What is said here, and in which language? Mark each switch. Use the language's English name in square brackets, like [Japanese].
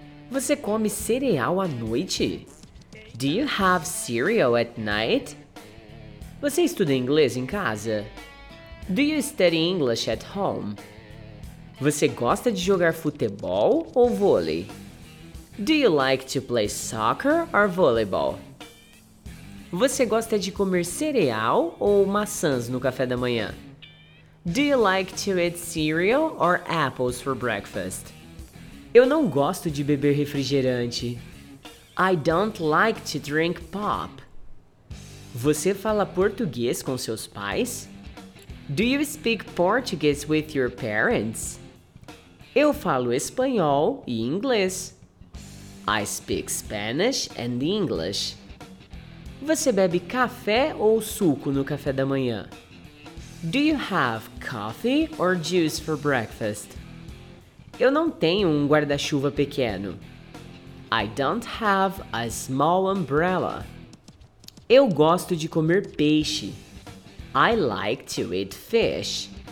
[Portuguese] Você come cereal à noite? [English] Do you have cereal at night? [Portuguese] Você estuda inglês em casa? [English] Do you study English at home? [Portuguese] Você gosta de jogar futebol ou vôlei? [English] Do you like to play soccer or volleyball? [Portuguese] Você gosta de comer cereal ou maçãs no café da manhã? [English] Do you like to eat cereal or apples for breakfast? [Portuguese] Eu não gosto de beber refrigerante. [English] I don't like to drink pop. [Portuguese] Você fala português com seus pais? [English] Do you speak Portuguese with your parents? [Portuguese] Eu falo espanhol e inglês. [English] I speak Spanish and English. [Portuguese] Você bebe café ou suco no café da manhã? [English] Do you have coffee or juice for breakfast? [Portuguese] Eu não tenho um guarda-chuva pequeno. [English] I don't have a small umbrella. [Portuguese] Eu gosto de comer peixe. [English] I like to eat fish.